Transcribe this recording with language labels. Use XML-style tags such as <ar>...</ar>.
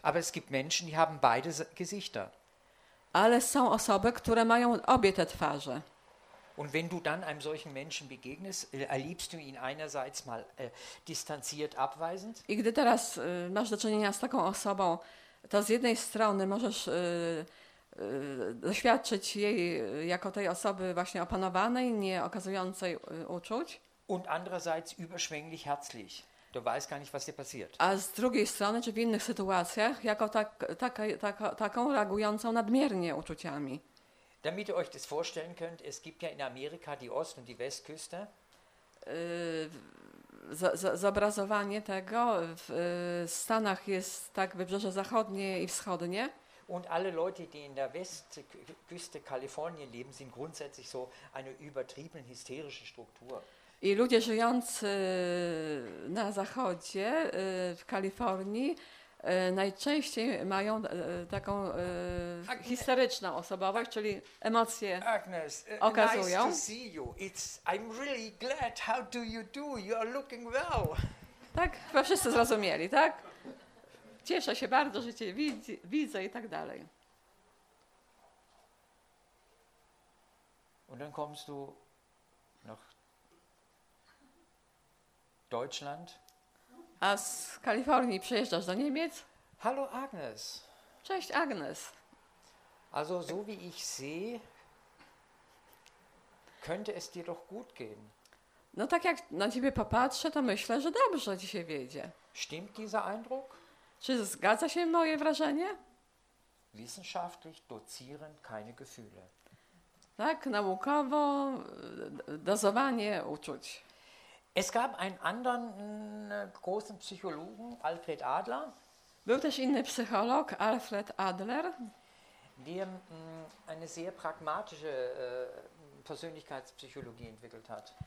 <de>Aber es gibt Menschen, die haben beide Gesichter.</de> <pl>Ale są osoby, które mają obie te twarze.</pl> <de>Und wenn du dann einem solchen Menschen begegnest, erlebst du ihn einerseits mal distanziert, abweisend?</de> <pl>I gdy teraz masz do czynienia z taką osobą, to z jednej strony możesz doświadczyć jej jako tej osoby właśnie opanowanej, nie okazującej uczuć.</pl> <de>Und andererseits überschwänglich herzlich. Du weißt gar nicht, was dir passiert.</de> <pl>A z drugiej strony, czy w innych sytuacjach, jako taką reagującą nadmiernie uczuciami.</pl> <de>Damit ihr euch das vorstellen könnt, es gibt ja in Amerika die Ost- und die Westküste.</de> <pl>Zobrazowanie tego w Stanach jest tak, wybrzeże zachodnie i wschodnie.</pl> <de>Und alle Leute, die in der Westküste Kalifornien leben, sind grundsätzlich so eine übertriebene hysterische Struktur.</de> <pl>I ludzie żyjący na zachodzie, w Kalifornii, najczęściej mają taką historyczną osobowość, czyli emocje Agnes, okazują.</pl> <en>Nice to see you. I'm really glad. How do you do? You are looking well.</en> <pl>Tak, chyba wszyscy zrozumieli, tak? Cieszę się bardzo, że cię widzę i tak dalej.</pl> <de>Und dann kommst du nach Deutschland.</de> <pl>A z Kalifornii przyjeżdżasz do Niemiec?</pl> <de>Hallo Agnes.</de> <pl>Cześć Agnes.</pl> <de>Also so wie ich sehe, könnte es dir doch gut gehen.</de> <pl>No tak jak na ciebie popatrzę, to myślę, że dobrze ci się wiedzie.</pl> <de>Stimmt dieser Eindruck?</de> <pl>Czy zgadza się moje wrażenie?</pl> <de>Wissenschaftlich dozierend keine Gefühle.</de> <pl>Tak, naukowo dozowanie uczuć.</pl> <de>Es gab einen anderen großen Psychologen, Alfred Adler.</de> <pl>Był też inny psycholog, Alfred Adler.</pl> <de>die eine sehr pragmatische Persönlichkeitspsychologie entwickelt hat.</de>